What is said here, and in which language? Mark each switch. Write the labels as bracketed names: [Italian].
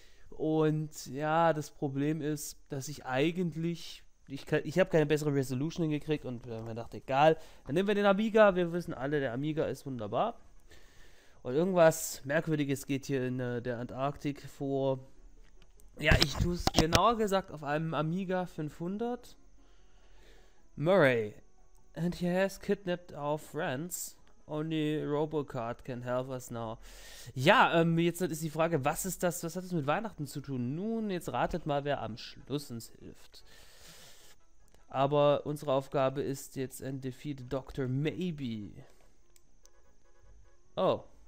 [German] Und ja, das Problem ist, dass ich eigentlich, ich habe keine bessere Resolution hingekriegt und mir dachte, egal, dann nehmen wir den Amiga, wir wissen alle, der Amiga ist wunderbar. Und irgendwas Merkwürdiges geht hier in der Antarktik vor. Ja, ich tue es genauer gesagt auf einem Amiga 500. [English] Murray, and he has kidnapped our friends. Only Robocard can help us now. [German] Ja, jetzt ist die Frage, was ist das, was hat das mit Weihnachten zu tun? Nun, jetzt ratet mal, wer am Schluss uns hilft. Aber unsere Aufgabe ist jetzt [English] and defeat Dr. Maybe. Oh.